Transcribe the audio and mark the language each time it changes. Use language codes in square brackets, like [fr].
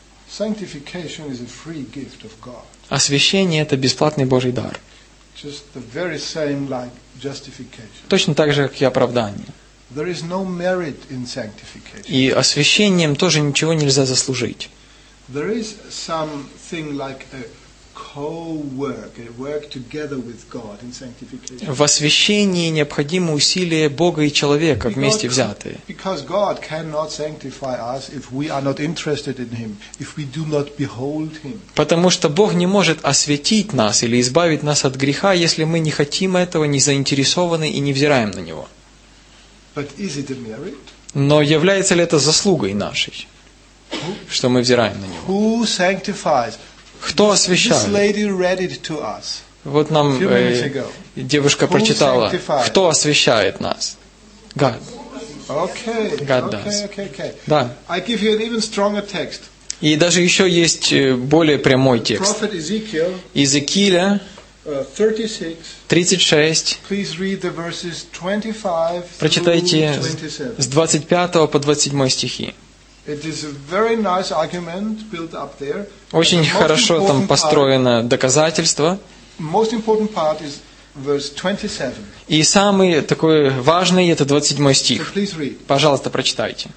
[en] Sanctification is a free gift of God. [ru] Освящение – это бесплатный Божий дар. [en] Just the very same like justification. [ru] Точно так же, как и оправдание. [en] There is no merit in sanctification. [ru] И освящением тоже ничего нельзя заслужить. [en] There is something like a co-work, a work together with God in sanctification. [ru] В освящении необходимо усилие Бога и человека вместе взятые. [en] Because God cannot sanctify us if we are not interested in Him, if we do not behold Him. [ru] Потому что Бог не может освятить нас или избавить нас от греха, если мы не хотим этого, не заинтересованы и не взираем на Него. [en] But is it a merit? [ru] Но является ли это заслугой нашей, что мы взираем на Него? [en] Who sanctifies? [ru] Кто освящает? [en] This lady read it to us. [ru] Вот нам девушка прочитала. Кто освящает нас? [en] God. Okay. God does. [ru] Да. [en] I give you an even stronger text. [ru] И даже еще есть более прямой текст. [en] Prophet Ezekiel. [ru] Иезекииля. [en] 36. Please read the verses 25. [ru] Прочитайте с 25 по 27 стихи. [en] It is a very nice argument built up there. [ru] Очень хорошо там построено доказательство. [en] Most important part is verse 27. [ru] И самый такой важный это 27 стих. [en] So please read. [ru] Пожалуйста, прочитайте.